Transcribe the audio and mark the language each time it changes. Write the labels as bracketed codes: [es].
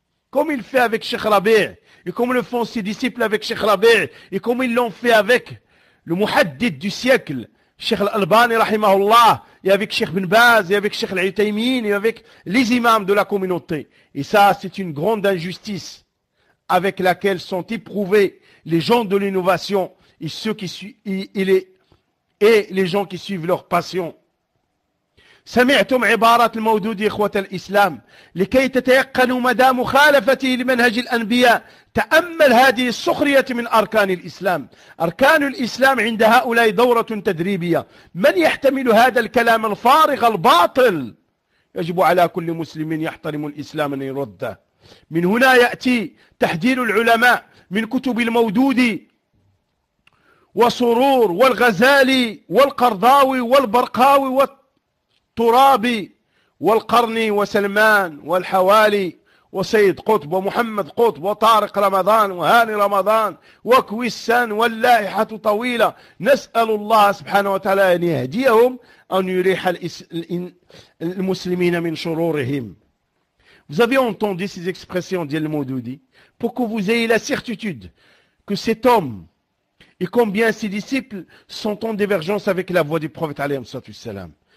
[fr] Comme il fait avec Cheikh Rabi', et comme le font ses disciples avec Cheikh Rabi', et comme ils l'ont fait avec le muhaddith du siècle, Cheikh al-Albani rahimahullah, et avec Cheikh Ibn Baz, et avec Cheikh al-Utaymin, et avec les imams de la communauté. Et ça, c'est une grande injustice avec laquelle sont éprouvés les gens de l'innovation et ceux qui et les gens qui suivent leur passion. [ar] سمعتم عبارة المودود إخوة الإسلام لكي تتيقنوا مدى مخالفته لمنهج الأنبياء تأمل هذه السخرية من أركان الإسلام. أركان الإسلام عند هؤلاء دورة تدريبية. من يحتمل هذا الكلام الفارغ الباطل؟ يجب على كل مسلم يحترم الإسلام أن يرده. من هنا يأتي تحذير العلماء من كتب المودود وسرور والغزالي والقرضاوي والبرقاوي والترابي والقرني وسلمان والحوالي وسيد قطب ومحمد قطب وطارق رمضان وهاني رمضان وكويسان، واللائحة طويلة. نسأل الله سبحانه وتعالى أن يهديهم، أن يريح المسلمين من شرورهم. [fr] Vous avez entendu ces expressions d'El Moudoudi pour que vous ayez la certitude que cet homme et combien ses disciples sont en divergence avec la voie du prophète alayhi salam.